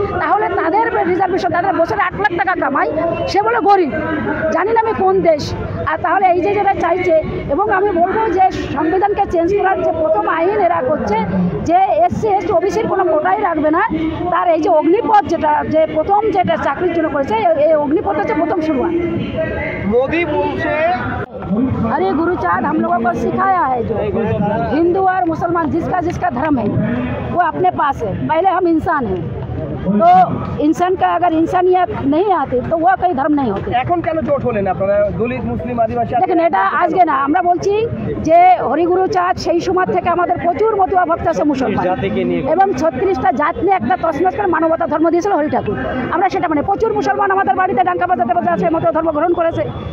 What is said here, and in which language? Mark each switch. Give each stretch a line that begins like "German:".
Bangla: তাহলে তাদের রিজার্ভেশন, তাদের বছরে 8,00,000 টাকা কামাই, সে বলে গরিব, জানি না আমি কোন দেশ। আর তাহলে এই যে যারা চাইছে, এবং আমি বলবো যে সংবিধানকে চেঞ্জ করার যে প্রথম আইন এরা করছে যে SC/ST OBC-র কোনো কোটাই রাখবে না, তার এই যে অগ্নিপথ যেটা যে প্রথম যেটা চাকরির জন্য করেছে এই অগ্নিপথ হচ্ছে প্রথম শুরুয়া। মোদী বলছে
Hindi: अरे गुरुचार हम लोगों को सिखाया है, जो हिंदू और मुसलमान जिसका जिसका धर्म है वो अपने पास है, पहले हम इंसान हैं, तो इंसान का अगर इंसानियत नहीं आती तो वह कोई धर्म नहीं होती।
Bangla: এখন কেন জোট হলেন আপনারা দলিত মুসলিম আদিবাসী? দেখুন এটা আজকে না, আমরা বলছি যে হরিগুরু চাঁদ সেই সময় থেকে আমাদের প্রচুর মতুয়া ভক্ত আছে মুসলমান, এবং 36টা জাত নিয়ে একটা তসমস করে মানবতা ধর্ম দিয়েছিল হরি ঠাকুর, আমরা সেটা মানে প্রচুর মুসলমান আমাদের বাড়িতে ডাঙ্কা বাজাতে বাজাতে আছে, মতো ধর্ম গ্রহণ করেছে।